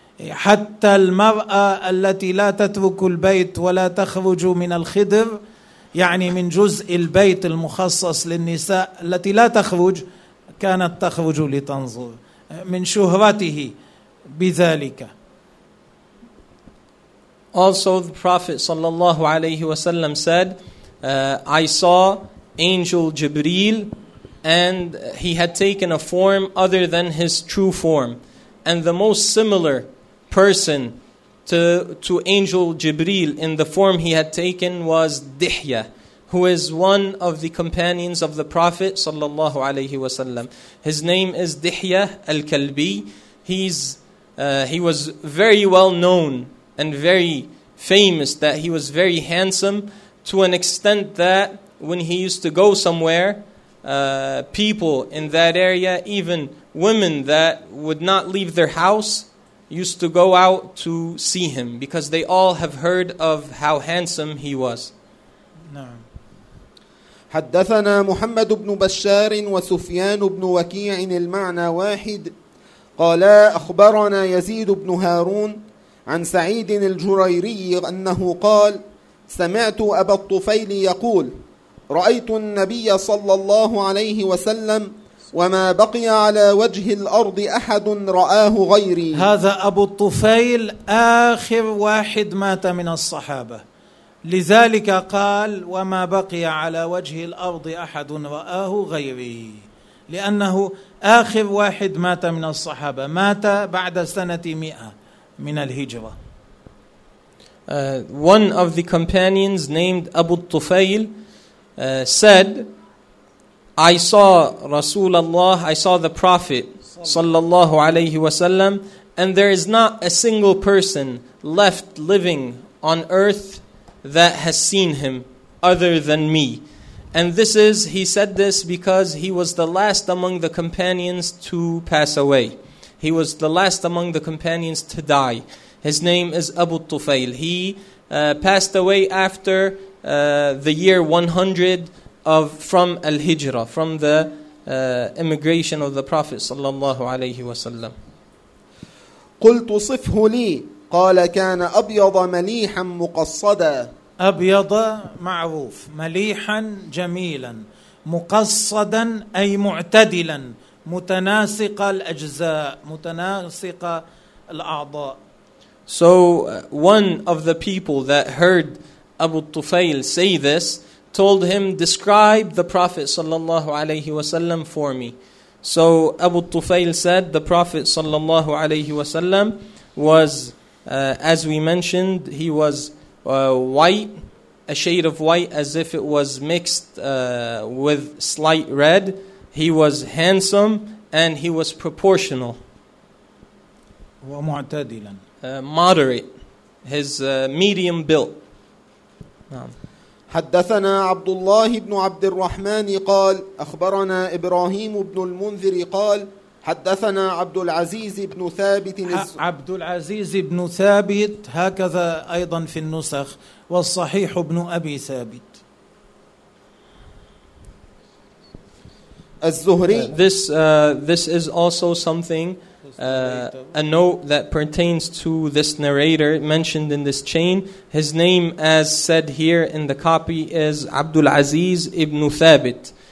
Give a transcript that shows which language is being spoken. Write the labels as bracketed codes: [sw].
[ar] حتى المرأة التي لا تترك البيت ولا تخرج من الخدر، يعني من جزء البيت المخصص للنساء التي لا تخرج، كانت تخرج لتنظر من شهرته بذلك. [en] Also the Prophet sallallahu alayhi wa sallam said, I saw angel Jibreel and he had taken a form other than his true form. And the most similar person to angel Jibreel in the form he had taken was Dihya, who is one of the companions of the Prophet sallallahu alayhi wa sallam. His name is Dihya al-Kalbi. He was very well known and very famous that he was very handsome, to an extent that when he used to go somewhere, people in that area, even women that would not leave their house, used to go out to see him because they all have heard of how handsome he was. [ar] حدثنا محمد بن بشار وسفيان بن وكيع المعنى واحد قالا أخبرنا يزيد بن هارون عن سعيد الجريري أنه قال سمعت أبا الطفيل يقول رأيت النبي صلى الله عليه وسلم وما بقي على وجه الأرض أحد رآه غيري. هذا أبو الطفيل آخر واحد مات من الصحابة، لذلك قال وما بقي على وجه الأرض أحد رآه غيري، لأنه آخر واحد مات من الصحابة، مات بعد سنة 100 من الهجرة. [en] One of the companions named Abu Tufail said, I saw Rasulullah, I saw the Prophet sallallahu alayhi wasallam, and there is not a single person left living on earth that has seen him other than me. And this is, he said this because he was the last among the companions to pass away. He was the last among the companions to die. His name is Abu Tufail. He passed away after the year 100 from Al-Hijrah, from the immigration of the Prophet sallallahu alayhi wa sallam. [ar] قلت صفه لي قال كان أبيض مليحا مقصدا. أبيض معروف، مليحا جميلا، مقصدا أي معتدلا، متناسق الأجزاء، متناسق الأعضاء. [en] So one of the people that heard Abu Tufail say this told him, describe the Prophet sallallahu alayhi wasallam for me. So Abu Tufail said the Prophet sallallahu alayhi wasallam was, as we mentioned, he was white, a shade of white as if it was mixed with slight red. He was handsome and he was proportional. [ar] ومعتدلا. [en] Moderate. His medium built. [ar] حدثنا عبد الله بن عبد الرحمن قال أخبرنا إبراهيم بن المنذر قال حدثنا عبد العزيز بن ثابت. عبد العزيز بن ثابت هكذا أيضا في النسخ، والصحيح بن أبي ثابت. الزهري. [en] This is also something, a note that pertains to this narrator mentioned in this chain. His name, as said here in the copy, is Abdul Aziz ibn Thabit.